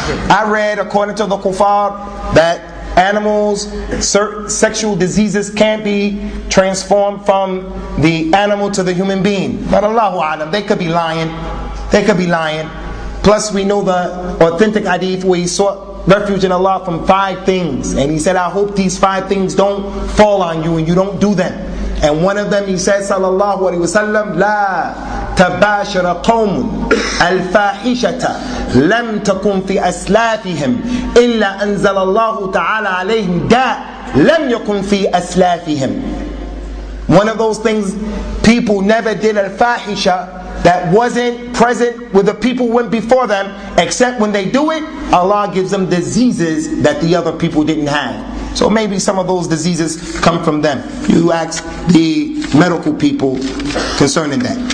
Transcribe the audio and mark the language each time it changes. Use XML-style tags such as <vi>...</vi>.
<en>I read, according to the Kufar, that animals, sexual diseases can't be transformed from the animal to the human being. But Allahu A'lam, they could be lying. They could be lying. Plus, we know the authentic hadith where he sought refuge in Allah from five things. And he said, I hope these five things don't fall on you and you don't do them. And one of them, he said, sallallahu alayhi wa sallam,</en> <ar>لا تباشر قوم الفاحشة لم تكن في أسلافهم إلا أنزل الله تعالى عليهم داء لم يكن في أسلافهم.</ar> <en>One of those things, people never did الفاحشة that wasn't present with the people who went before them, except when they do it, Allah gives them diseases that the other people didn't have. So maybe some of those diseases come from them. You ask the medical people concerning that.</en>